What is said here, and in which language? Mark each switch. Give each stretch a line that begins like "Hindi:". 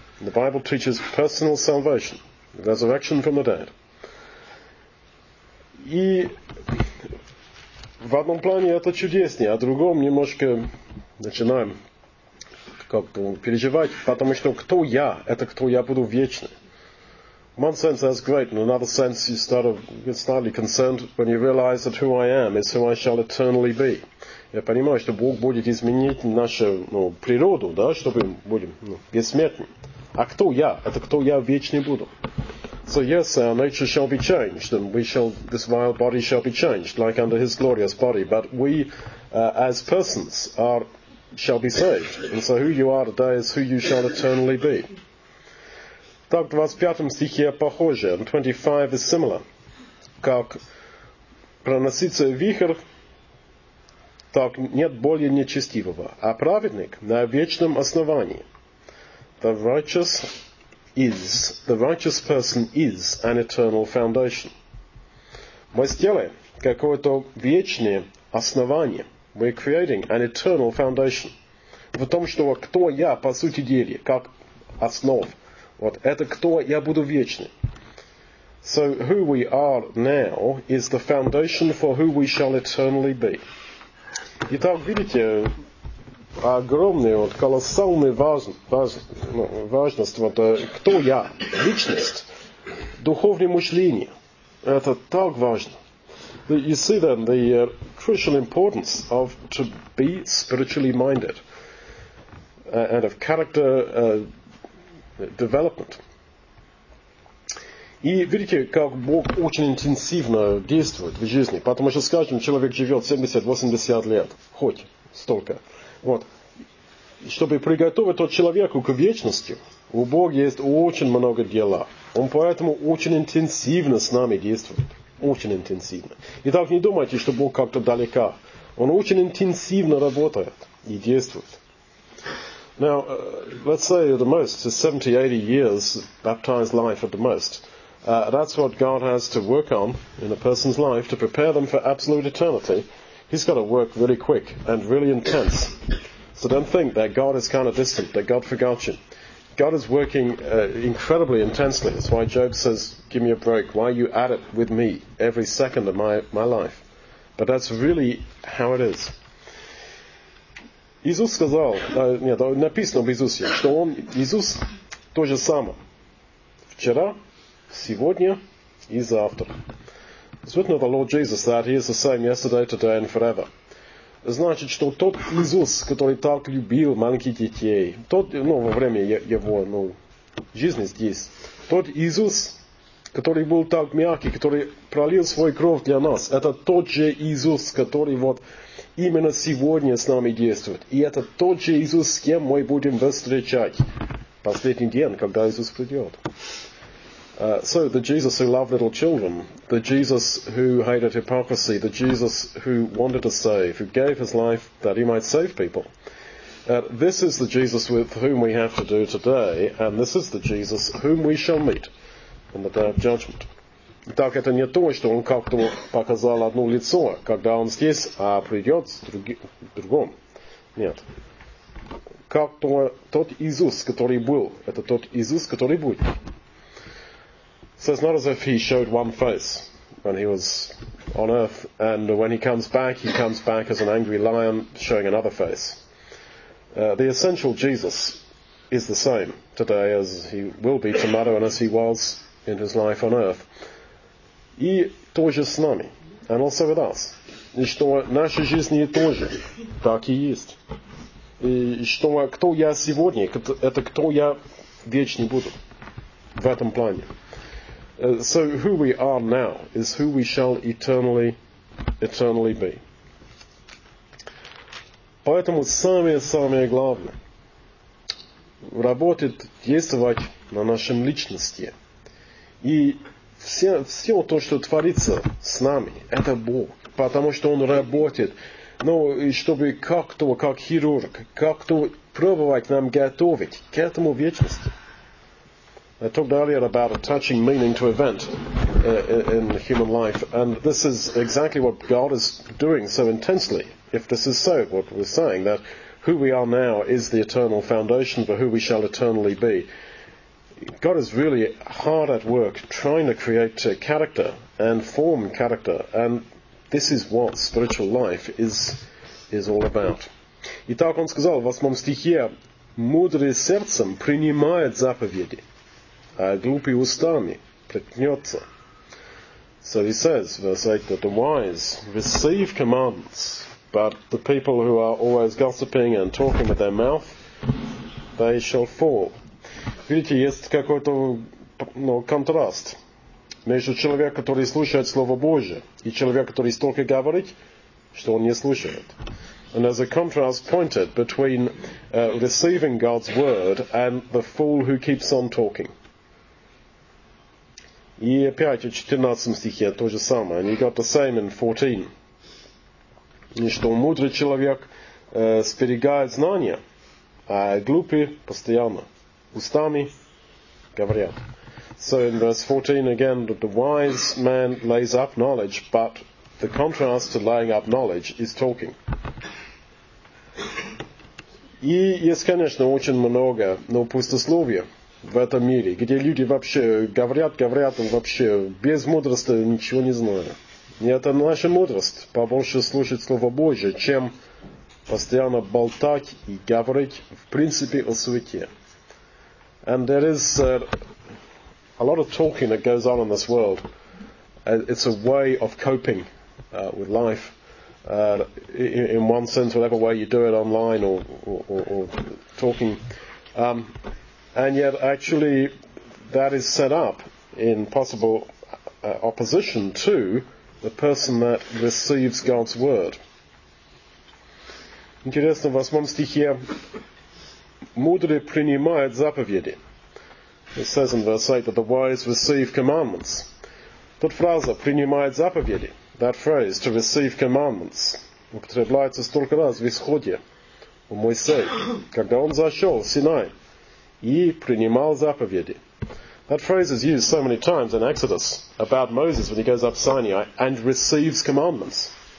English: And the Bible teaches personal salvation, resurrection from the dead.
Russian: И в одном плане это чудеснее, а в другом немножко начинаем как-то переживать, потому что кто я, это кто я буду вечно.
English: In one sense that's great, in another sense you start to get slightly concerned when you realize that who I am is who I shall eternally be.
Russian: Я понимаю, что Бог будет изменить нашу природу, да, чтобы будем бессмертны. А кто я, это кто я вечный буду.
English: So yes, our nature shall be changed, and this vile body shall be changed, like under his glorious body. But we, as persons, are shall be saved. And so who you are today is who you shall eternally be.
Russian: Так, 25 стихе похоже,
English: 25 is similar.
Russian: Как проносится вихрь, так нет более нечестивого. А праведник на вечном основании.
English: The righteous is, the righteous person is an eternal foundation.
Russian: Мы сделали какое-то вечное основание.
English: We're creating an eternal foundation.
Russian: В том, что кто я, по сути дела, как основ. Вот это кто я буду вечный.
English: So who we are now is the foundation for who we shall eternally be.
Russian: Итак, видите, огромная, вот, колоссальная важность, вот, кто я, личность, духовное мышление. Это так важно.
English: You see then the crucial importance of to be spiritually minded and of character development.
Russian: И видите, как Бог очень интенсивно действует в жизни, потому что, скажем, человек живет 70-80 лет, хоть столько. Вот. Чтобы приготовить тот человеку к вечности, у Бога есть очень много дела. Он поэтому очень интенсивно с нами действует. Очень интенсивно. Итак, не думайте, что Бог как-то далека. Он очень интенсивно работает и действует.
English: Now, let's say at the most, 70-80 years, baptized life at the most. That's what God has to work on in a person's life to prepare them for absolute eternity. He's got to work really quick and really intense. So don't think that God is kind of distant, that God forgot you. God is working incredibly intensely. That's why Job says, give me a break. Why are you at it with me every second of my life? But that's really how it is.
Russian: Иисус сказал, нет, написано в Иисусе, что он, Иисус, то же самое. Вчера, сегодня и завтра.
English: It's written of the Lord Jesus that he is the same yesterday, today and forever.
Russian: Значит, что тот Иисус, который так любил маленьких детей, тот, ну, во время его, ну, жизни здесь, тот Иисус, который был так мягкий, который пролил свою кровь для нас, это тот же Иисус, который вот именно сегодня с нами действует. И это тот же Иисус, с кем мы будем встречать в последний день, когда Иисус придет.
English: So, the Jesus who loved little children, the Jesus who hated hypocrisy, the Jesus who wanted to save, who gave his life that he might save people. This is the Jesus with whom we have to do today, and this is the Jesus whom we shall meet in the Day of Judgment.
Russian: Итак, это не то, что он как-то показал одно лицо, когда он здесь, а придет другом. Нет. Как-то тот Иисус, который был, это тот Иисус, который будет.
English: So it's not as if he showed one face when he was on earth, and when he comes back as an angry lion showing another face. The essential Jesus is the same today as he will be tomorrow and as he was in his life on earth.
Russian: И тоже с нами,
English: and also with us.
Russian: И что наша жизнь не тоже, так и есть. И что кто я сегодня, это кто я вечно буду в этом плане.
English: So who we are now is who we shall eternally be.
Russian: Поэтому самое-самое главное работать, действовать на нашем личности. И все то, что творится с нами, это Бог. Потому что Он работает. Но чтобы как-то, как хирург, как-то пробовать нам готовить к этому вечности.
English: I talked earlier about attaching meaning to event in human life, and this is exactly what God is doing so intensely. If this is so, what we're saying, that who we are now is the eternal foundation for who we shall eternally be. God is really hard at work trying to create character and form character, and this is what spiritual life is all about.
Russian: Итак, он сказал в 8 стихе, «Мудрый сердцем принимает заповеди». Глупый устами приткнется.
English: So he says, verse 8, that the wise receive commandments, but the people who are always gossiping and talking with their mouth, they shall fall.
Russian: Видите, есть какой-то, ну, контраст между человеком, который слушает Слово Божие, и человеком, который столько говорит, что он не слушает.
English: and as a contrast pointed between receiving God's word and the fool who keeps on talking.
Russian: И опять в 14 стихе то же самое.
English: And you got the same in 14.
Russian: И что мудрый человек сберегает знания, а глупый постоянно устами говорят.
English: So in verse 14 again, the wise man lays up knowledge, but the contrast to laying up knowledge is talking.
Russian: И есть, конечно, очень много, но пустословия в этом мире, где люди вообще говорят, говорят, но вообще без мудрости ничего не знают. И это наша мудрость, побольше слушать Слово Божие, чем постоянно болтать и говорить, в принципе, о суете.
English: And there is a lot of talking that goes on in this world. It's a way of coping with life. In one sense, whatever way you do it, online or talking. And yet, actually, that is set up in possible opposition to the person that receives God's word.
Russian: Интересно, в 8 стихе мудрый принимает заповеди.
English: It says in verse 8 that the wise receive commandments.
Russian: Тут фраза «принимает заповеди».
English: That phrase, to receive commandments,
Russian: употребляется столько раз в Исходе у Моисея, когда он зашел в Синай и принимал заповеди.
English: That phrase is used so many times in Exodus about Moses when he goes up Sinai and receives commandments.